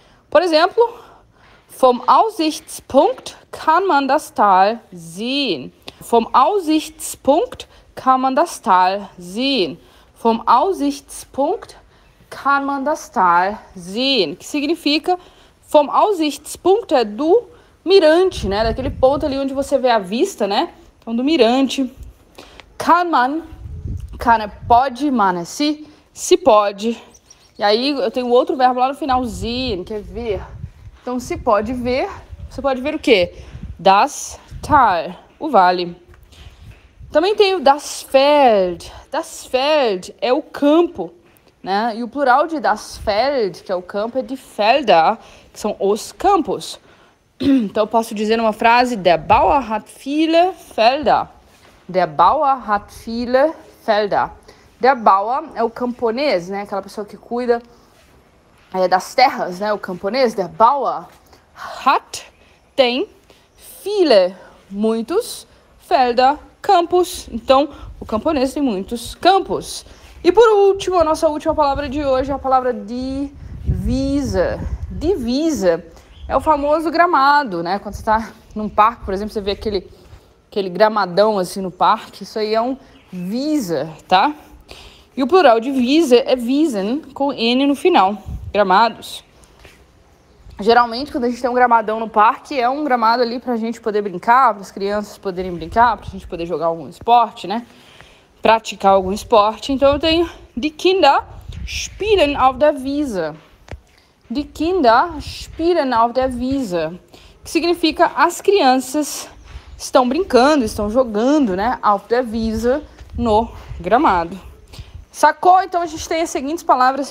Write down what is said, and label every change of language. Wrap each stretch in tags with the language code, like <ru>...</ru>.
<pt>Por exemplo,</pt> <de>vom Aussichtspunkt kann man das Tal sehen. Vom Aussichtspunkt kann man das Tal sehen. Vom Aussichtspunkt kann man das Tal sehen.</de> <pt>Que significa,</pt> <de>vom Aussichtspunkt</de> <pt>é do mirante, né? Daquele ponto ali onde você vê a vista, né? Então, do mirante.</pt> <de>Kann man,</de> <pt>kann é pode, man é se pode. E aí, eu tenho outro verbo lá no final, sehen, que é ver. Então, se pode ver, você pode ver o quê?</pt> <de>Das Tal,</de> <pt>o vale. Também tem o</pt> <de>das Feld. Das Feld</de> <pt>é o campo, né? E o plural de das Feld, que é o campo, é</pt> <de>de Felder,</de> <pt>que são os campos. Então, eu posso dizer numa frase,</pt> <de>der Bauer hat viele Felder. Der Bauer hat viele Felder. Der Bauer</de> <pt>é o camponês, né? Aquela pessoa que cuida das terras, né? O camponês,</pt> <de>der Bauer.</de> <pt>Hat tem viele, muitos, Felder, campos. Então, o camponês tem muitos campos. E por último, a nossa última palavra de hoje é a palavra divisa. Divisa é o famoso gramado, né? Quando você tá num parque, por exemplo, você vê aquele gramadão assim no parque, isso aí é um visa, tá? E o plural de visa é wiesen, com N no final, gramados. Geralmente, quando a gente tem um gramadão no parque, é um gramado ali pra gente poder brincar, para as crianças poderem brincar, pra gente poder jogar algum esporte, né? Praticar algum esporte. Então, eu tenho</pt> <de>die Kinder spielen auf der Wiese. Die Kinder spielen auf der Wiese.</de> <pt>Que significa as crianças estão brincando, estão jogando, né?</pt> <de>Auf der Wiese,</de> <pt>no gramado. Sacou? Então, a gente tem as seguintes palavras.</pt>